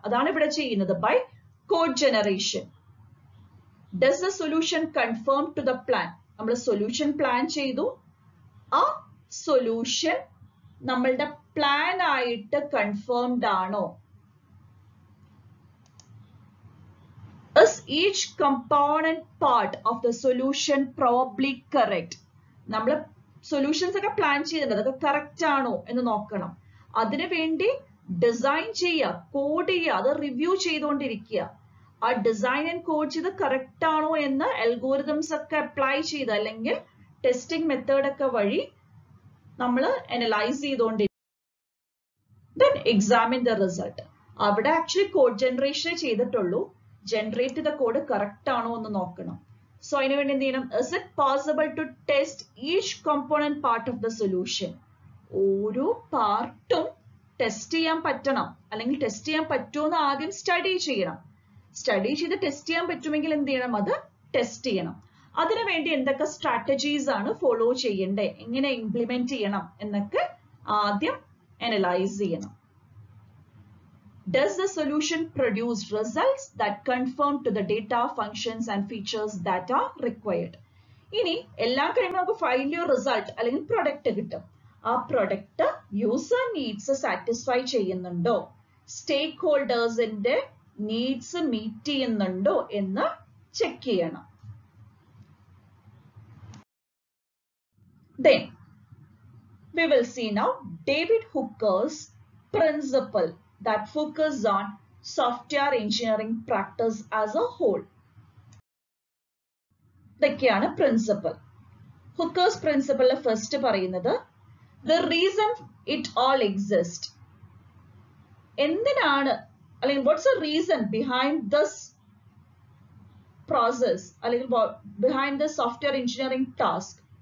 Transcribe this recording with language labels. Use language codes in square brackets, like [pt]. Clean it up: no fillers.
[ml] അതാണ് ഇവിടെ ചെയ്യുന്നത് [en] By code generation. Does the solution confirm to the plan. [ml] നമ്മൾ സൊല്യൂഷൻ പ്ലാൻ ചെയ്തു, ആ സൊല്യൂഷൻ നമ്മളുടെ പ്ലാൻ ആയിട്ട് കൺഫേംഡ് ആണോ? [en] Is each component part of the solution probably correct? [ml] നമ്മൾ സൊല്യൂഷൻസ് ഒക്കെ പ്ലാൻ ചെയ്യുന്നുണ്ട്, അതൊക്കെ കറക്റ്റ് ആണോ എന്ന് നോക്കണം. അതിനു വേണ്ടി ഡിസൈൻ ചെയ്യുക, കോഡ് ചെയ്യുക, അത് റിവ്യൂ ചെയ്തുകൊണ്ടിരിക്കുക. ആ ഡിസൈൻ ആൻഡ് കോഡ് ചെയ്ത് കറക്റ്റ് ആണോ എന്ന് അൽഗോരിതംസ് ഒക്കെ അപ്ലൈ ചെയ്ത് അല്ലെങ്കിൽ ടെസ്റ്റിംഗ് മെത്തേഡ് ഒക്കെ വഴി നമ്മൾ അനലൈസ് ചെയ്തുകൊണ്ടിരിക്കും. [en] Then examine the result. [ml] അവിടെ ആക്ച്വലി കോഡ് ജനറേഷൻ ചെയ്തിട്ടുള്ളൂ, ജനറേറ്റ് ചെയ്ത കോഡ് കറക്റ്റ് ആണോ എന്ന് നോക്കണം. സോ അതിനു വേണ്ടി എന്ത് ചെയ്യണം? [en] Is it possible to test each component part of the solution. [ml] ഓരോ പാർട്ടും ടെസ്റ്റ് ചെയ്യാൻ പറ്റണം, അല്ലെങ്കിൽ ടെസ്റ്റ് ചെയ്യാൻ പറ്റുമെന്ന് ആദ്യം സ്റ്റഡി ചെയ്യണം. സ്റ്റഡി ചെയ്ത് ടെസ്റ്റ് ചെയ്യാൻ പറ്റുമെങ്കിൽ എന്ത് ചെയ്യണം? അത് ടെസ്റ്റ് ചെയ്യണം. അതിനു വേണ്ടി എന്തൊക്കെ സ്ട്രാറ്റജീസ് ആണ് ഫോളോ ചെയ്യേണ്ടത്, എങ്ങനെ ഇംപ്ലിമെന്റ് ചെയ്യണം എന്നൊക്കെ ആദ്യം അനലൈസ് ചെയ്യണം. [en] Does the solution produce results that conform to the data, functions and features that are required? [ml] ഇനി എല്ലാം കഴിയുമ്പോൾ നമുക്ക് ഫൈനൽ റിസൾട്ട് അല്ലെങ്കിൽ പ്രൊഡക്റ്റ് കിട്ടും. ആ പ്രൊഡക്റ്റ് യൂസർ നീഡ്സ് സാറ്റിസ്ഫൈ ചെയ്യുന്നുണ്ടോ, സ്റ്റേക്ക് ഹോൾഡേഴ്സിന്റെ നീഡ്സ് മീറ്റ് ചെയ്യുന്നുണ്ടോ എന്ന് ചെക്ക് ചെയ്യണം. [en] Then, we will see now David Hooker's principle that focuses on software engineering practice as a whole. [ml] ഇതൊക്കെയാണ് പ്രിൻസിപ്പിൾ. ഹുക്കേഴ്സ് പ്രിൻസിപ്പിൾ ഫസ്റ്റ് പറയുന്നത്, [en] The reason it all exist. [ml] എന്തിനാണ് അല്ലെങ്കിൽ [en] what's the reason behind this process [ml] അല്ലെങ്കിൽ [en] Behind the software engineering task.